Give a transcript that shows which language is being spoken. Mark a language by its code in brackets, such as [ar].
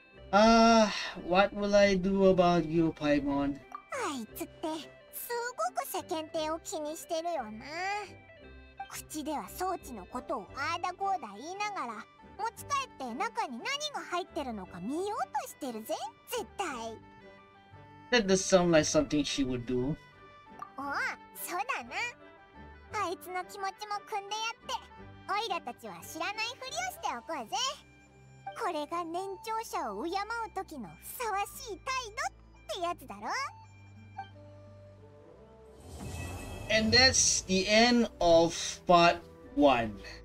[en] What will I do about you, Paimon? [ja] あいつってすごく世間体を気にしてるよな。口では装置のことをアーダゴーダ言いながら、持ち帰って中に何が入ってるのか見ようとしてるぜ、絶対。 [en] That does sound like something she would do. [ja] おお、そうだな。あいつの気持ちも汲んでやって、オイラたちは知らないふりをしておこうぜ。これが年長者を敬う時のふさわしい態度ってやつだろ。 [en] And that's the end of part one.